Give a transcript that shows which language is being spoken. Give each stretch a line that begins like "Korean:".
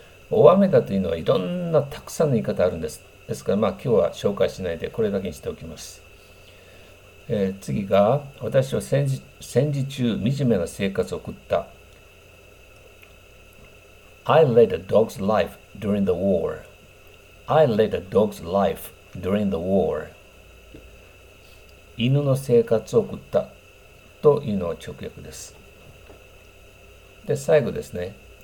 Japanese: 大雨だというのは、いろんなたくさんの言い方あるんです。ですから、今日は紹介しないでこれだけにしておきます。次が、私は戦時中、惨めな生活を送った。
English: I led a dog's life during the war. I led a dog's life during the war.
Japanese: 犬の生活を送ったというのは直訳です。で、最後ですね。